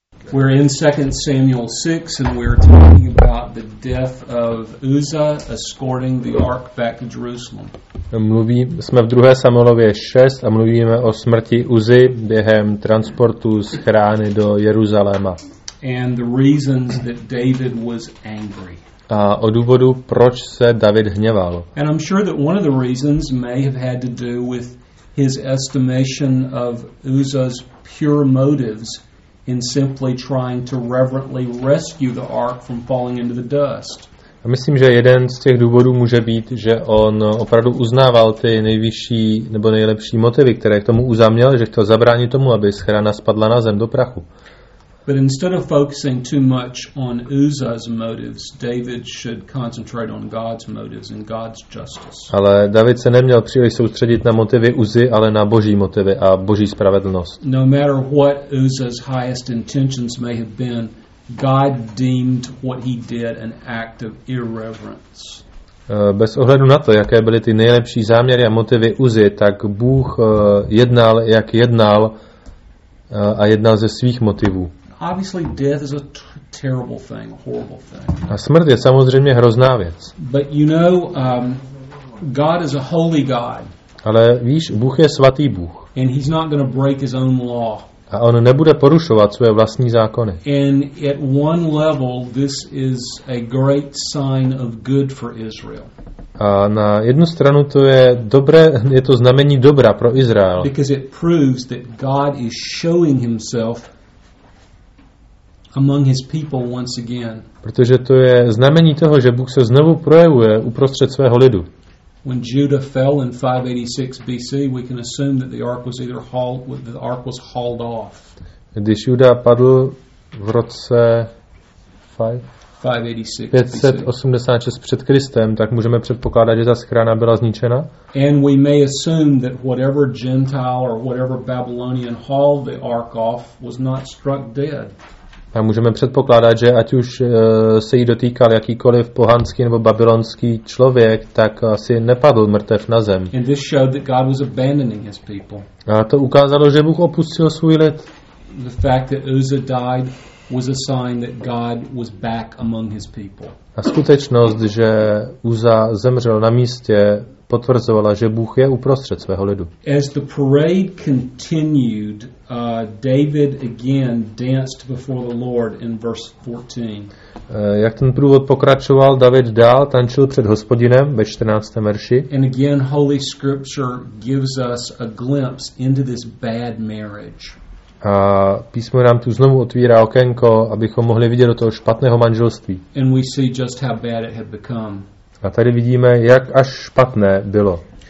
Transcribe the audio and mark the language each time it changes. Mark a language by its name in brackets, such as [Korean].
[English] We're in 2 Samuel 6, and we're talking about the death of Uzzah escorting the ark back to Jerusalem. [Czech] Jsme v 2 Samuelově 6 a mluvíme o smrti Uzzy během transportu z chrámu do Jeruzaléma. [English] And the reasons that David was angry. [Czech] A o důvodu, proč se David hněval. [English] And I'm sure that one of the reasons may have had to do with his estimation of Uzzah's pure motives in simply trying to reverently rescue the ark from falling into the dust. [Czech] A myslím, že jeden z těch důvodů může být, že on opravdu uznával ty nejvyšší nebo nejlepší motivy, které k tomu uzaměl, že chtěl zabránit tomu, aby schrana spadla na zem do prachu. [English] But instead of focusing too much on Uzzah's motives, David should concentrate on God's motives and God's justice. [Czech] Ale David se neměl příliš soustředit na motivy Uzzy, ale na Boží motivy a Boží spravedlnost. [English] No matter what Uzzah's highest intentions may have been, God deemed what he did an act of irreverence. [Czech] Bez ohledu na to, jaké byly ty nejlepší záměry a motivy Uzzy, tak Bůh jednal, jak jednal, a jednal ze svých motivů. [English] Obviously death is a terrible thing, a horrible thing. [Czech] A smrt je samozřejmě hrozná věc. [English] But you know, God is a holy God. [Czech] Ale víš, Bůh je svatý Bůh. [English] And he's not going to break his own law. [Czech] A on nebude porušovat své vlastní zákony. [English] And at one level this is a great sign of good for Israel. [Czech] A na jednu stranu to je dobré, je to znamení dobra pro Izrael. [English] Because it proves that God is showing himself among his people once again. [Czech] Protože to je znamení toho, že Bůh se znovu projevuje uprostřed svého lidu. [English] When Judah fell in 586 BC, we can assume that the ark was either hauled, the ark was hauled off. [Czech] Když Juda padl v roce 586 před Kristem, tak můžeme předpokládat, že ta schrana byla zničena. [English] And we may assume that whatever Gentile or whatever Babylonian hauled the ark off was not struck dead. [Czech] A můžeme předpokládat, že ať už se jí dotýkal jakýkoliv pohanský nebo babylonský člověk, tak asi nepadl mrtev na zem. [English] And this showed that God was abandoning his people. [Czech] A to ukázalo, že Bůh opustil svůj lid. [English] The fact that Uzzah died was a sign that God was back among his people. [Czech] A skutečnost, že Uzzah zemřel na místě, potvrzovala, že Bůh je uprostřed svého lidu. [English] As the parade continued, David again danced before the Lord in verse 14. [Czech] Jak ten průvod pokračoval, David dál tančil před Hospodinem ve 14. verši. [English] And again, Holy Scripture gives us a glimpse into this bad marriage. [Czech] A písmo nám tu znovu otvírá okénko, abychom mohli vidět do toho špatného manželství. [English] And we see just how bad it had become. [Czech] A tady vidíme, jak až špatné bylo.